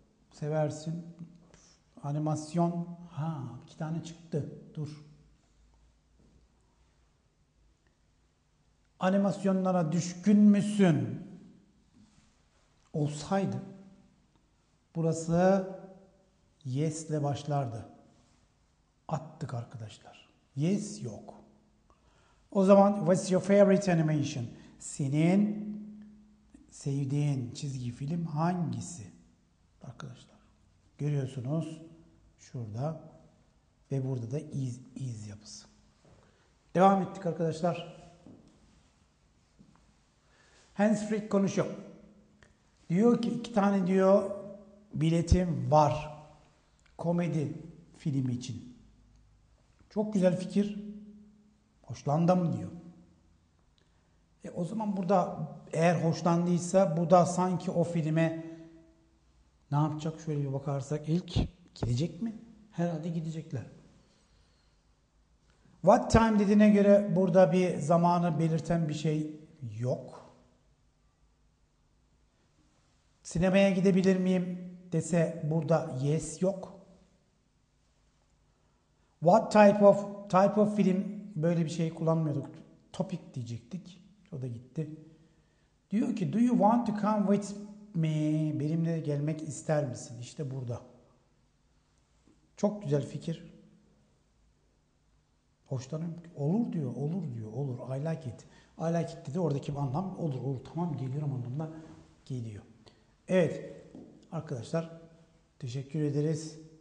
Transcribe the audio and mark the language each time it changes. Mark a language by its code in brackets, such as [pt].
[tr] Seversin. Animasyon. Ha, iki tane çıktı. Dur. Animasyonlara düşkün müsün? Olsaydı burası yes ile başlardı. Attık arkadaşlar. Yes yok. O zaman [en] what's your favorite animation? [tr] Senin sevdiğin çizgi film hangisi? Arkadaşlar görüyorsunuz şurada ve burada da is yapısı. Devam ettik arkadaşlar. Hans Frick konuşuyor. Diyor ki iki tane diyor biletim var. Komedi filmi için. Çok güzel fikir. Hoşlandım diyor. O zaman burada eğer hoşlandıysa bu da sanki o filme ne yapacak şöyle bir bakarsak ilk gidecek mi? Herhalde gidecekler. [en] What time [tr] dediğine göre burada bir zamanı belirten bir şey yok. Sinemaya gidebilir miyim dese burada yes yok. [en] What type of film [tr] böyle bir şey kullanmıyorduk. Topic diyecektik. O da gitti. Diyor ki [en] do you want to come with me? [tr] Benimle gelmek ister misin? İşte burada. Çok güzel fikir. Hoşlanıyorum. Olur diyor. Olur diyor. Olur. [en] I like it. I like it [tr] dedi. Oradaki bir anlam olur. Olur. Tamam geliyorum anlamına geliyor. Evet arkadaşlar teşekkür ederiz.